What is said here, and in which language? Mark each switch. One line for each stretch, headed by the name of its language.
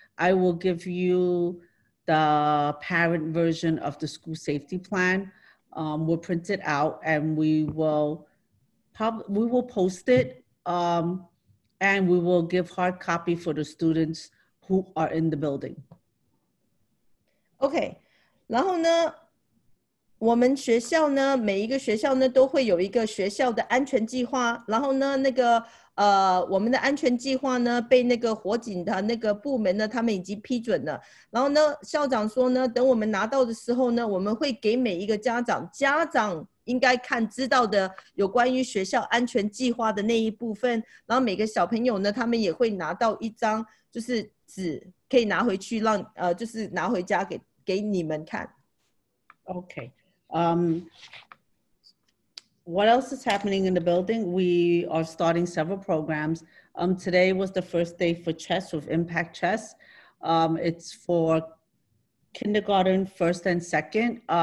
English: I will give you the parent version of the school safety plan. We'll print it out and we will post it and we will give hard copy for the students who are in the building.
Chinese: Okay, 然后呢，我们学校呢，每一个学校呢都会有一个学校的安全计划，然后呢那个我们的安全计划呢被那个火警的那个部门呢他们已经批准了，然后呢校长说呢，等我们拿到的时候呢，我们会给每一个家长应该看知道的有关于学校安全计划的那一部分，然后每个小朋友呢他们也会拿到一张就是纸可以拿回去让就是拿回家给你们看。
English: Okay, what else is happening in the building? We are starting several programs. Today was the first day for chess with Impact Chess. It's for kindergarten, first and second.